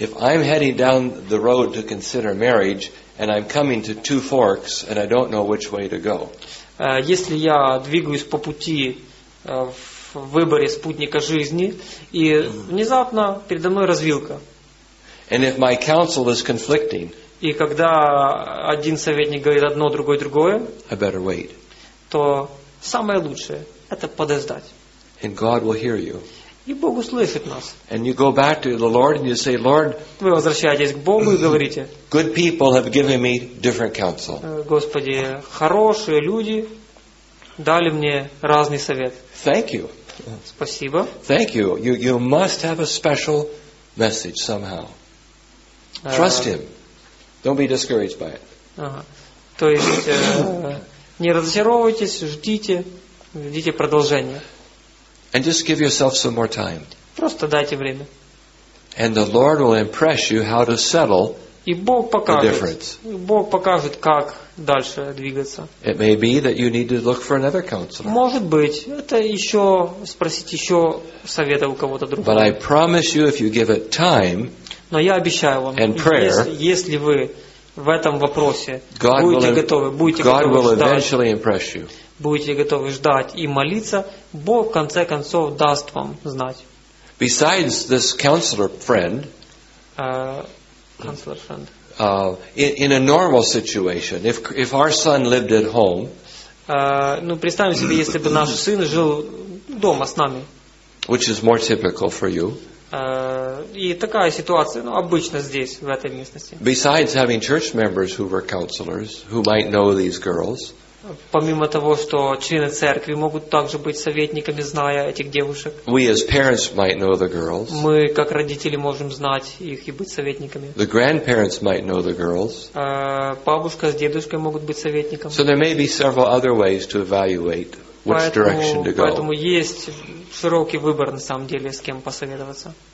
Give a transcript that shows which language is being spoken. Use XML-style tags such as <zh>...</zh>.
<en>If I'm heading down the road to consider marriage and I'm coming to two forks and I don't know which way to go.</en> <ru>Если я двигаюсь по пути в выборе спутника жизни, и внезапно передо мной развилка.</ru> <en>And if my counsel is conflicting,</en> <ru>и когда один советник говорит одно, другой другое,</ru> <en>I better wait.</en> <ru>То самое лучшее – это подождать.</ru> <en>And God will hear you.</en> <ru>И Бог услышит нас.</ru> <en>And you go back to the Lord and you say, Lord,</en> <ru>вы возвращаетесь к Богу и говорите,</ru> <en>good people have given me different counsel.</en> <ru>Господи, хорошие люди дали мне разный совет.</ru> <en>Thank you.</en> <ru>Спасибо.</ru> <en>Thank you. You must have a special message somehow. Trust him. Don't be discouraged by it.</en> <ru>То есть не разочаровывайтесь, ждите продолжения.</ru> <en>And just give yourself some more time.</en> <ru>Просто дайте время.</ru> <en>And the Lord will impress you how to settle.</en> <ru>И Бог покажет,</ru> <en>the difference.</en> <ru>Бог покажет, как дальше двигаться.</ru> <en>It may be that you need to look for another counselor.</en> <ru>Может быть, это еще спросить еще совета у кого-то другого.</ru> <en>But I promise you, if you give it time,</en> <ru>но я обещаю вам,</ru> <en>and prayer,</en> <ru>если вы в этом вопросе будете готовы ждать и молиться, Бог в конце концов даст вам знать.</ru> <en>Besides this counselor friend. Counselor friend. In a normal situation, if our son lived at home,</en> <ru>ну представим себе, если бы наш сын жил дома с нами,</ru> <en>which is more typical for you,</en> <ru>и такая ситуация, ну обычно здесь в этой местности.</ru> <en>Besides having church members who were counselors who might know these girls,</en> <ru>помимо того, что члены церкви могут также быть советниками, зная этих девушек,</ru> <en>we as parents might know the girls.</en> <ru>Мы как родители можем знать их и быть советниками.</ru> <en>The grandparents might know the girls.</en> <ru>Бабушка с дедушкой могут быть советником.</ru> <en>So there may be several other ways to evaluate which direction to go.</en> <ru>Поэтому есть широкий выбор на самом деле, с кем посоветоваться.</ru>